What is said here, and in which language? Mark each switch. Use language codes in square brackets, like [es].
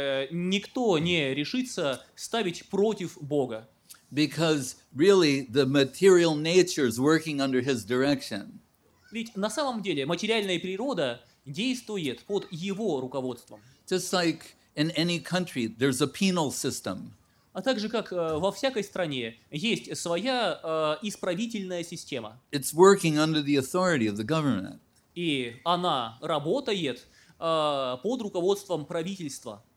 [ru] Никто не решится ставить против Бога. [en] Because really the material nature is working under his direction. [ru] Ведь на самом деле материальная природа действует под его руководством. [en] Just like in any country, there's a penal system. [ru] А также как во всякой стране есть своя исправительная система. [en] It's working under the authority of the government. [ru] И она работает под руководством правительства.